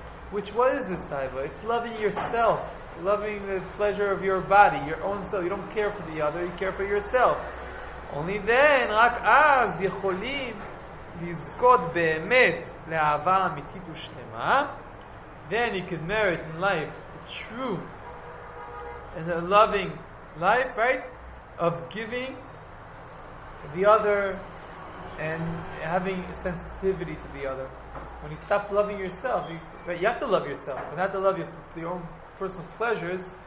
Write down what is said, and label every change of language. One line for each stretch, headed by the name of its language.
English: Which, what is this taiva? It's loving yourself, loving the pleasure of your body, your own soul. You don't care for the other, you care for yourself. Only then,
Hebrew: רק אז יכולים לזכות באמת לאהבה אמיתית ושלמה.
English: Then you can merit in life a true and a loving life, right? Of giving the other and having sensitivity to the other. When you stop loving yourself, you have to love yourself, but not to love your own personal pleasures.